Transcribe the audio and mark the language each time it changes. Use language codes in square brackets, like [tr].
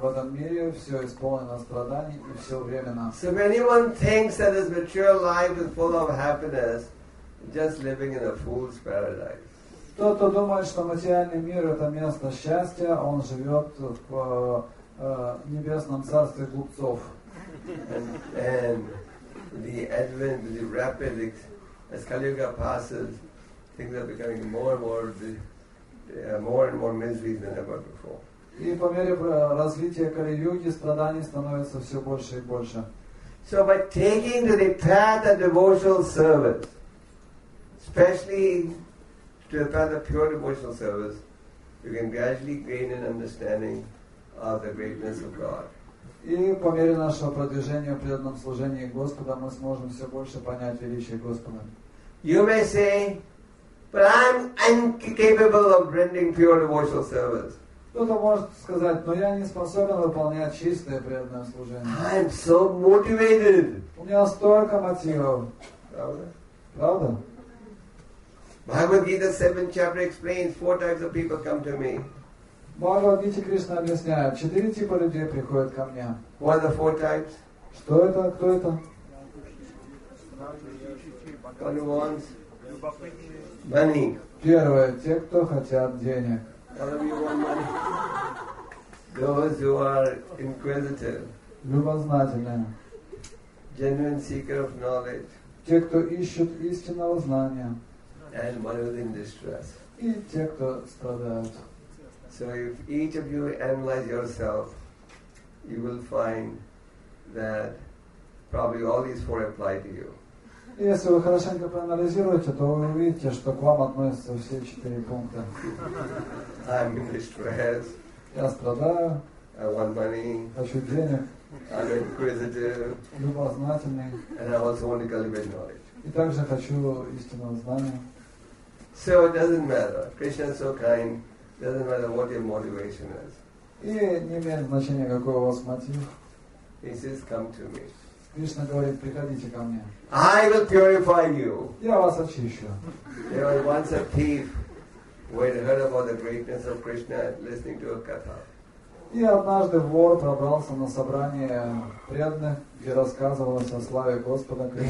[ru] В этом мире все исполнено страданий и все временно. [en] So if anyone thinks that his material life is full of happiness, just living in a fool's paradise. [ru] Кто-то думает, что материальный мир это место счастья, он живет в небесном царстве глупцов. [en] And the advent, the rapid, as Kali Yuga passes, things are becoming more and more misery than ever before. [ru] И по мере развития Кали Юги страданий становится все больше и больше. [en] So by taking the path of devotional service, especially to the path of pure devotional service, you can gradually gain an understanding of the greatness of God. [ru] И по мере нашего продвижения в преданном служении Господа мы сможем все больше понять величие Господа. [en] You may say, but I'm incapable of rendering pure devotional service. [ru] Кто-то может сказать, но я не способен выполнять чистое преданное служение. [en] I'm so motivated. [ru] У меня столько мотивов. Правда? Правда? [en] Bhagavad Gita 7th chapter explains 4 types of people come to me. [ru] Bhagavad Gita Krishna объясняет, 4 типа людей приходят ко мне. [en] What are the 4 types? [ru] Что это? Кто это? [en] One wants money. [ru] Первое, те, кто хотят денег. [en] Those who are inquisitive. [ru] Любознательные. [en] Genuine seeker of knowledge. [ru] Те, кто ищут истинного знания. [en] And one who is in distress. [ru] И те, кто страдают. [en] So if each of you analyze yourself, you will find that probably all these 4 apply to you. [ru] Если вы хорошенько проанализируете, то вы увидите, что к вам относятся все 4 пункта. [en] I'm in distress. [ru] Я страдаю. [en] I want money. [ru] Хочу денег. [en] I'm inquisitive. [ru] Любознательный. [en] And I also want to cultivate knowledge. [ru] И также хочу истинного знания. [en] So it doesn't matter. Krishna is so kind. Doesn't matter what your motivation is. [ru] И не имеет значения, какой у вас мотив. [en] He says, "Come to me." [ru] Кришна говорит, приходите ко мне. [en] I will purify you. [ru] Я вас очищу. [en] There was once a thief who had heard about the greatness of Krishna listening to a katha. [ru] И однажды вор пробрался на собрание преданных, где рассказывалось о славе Господа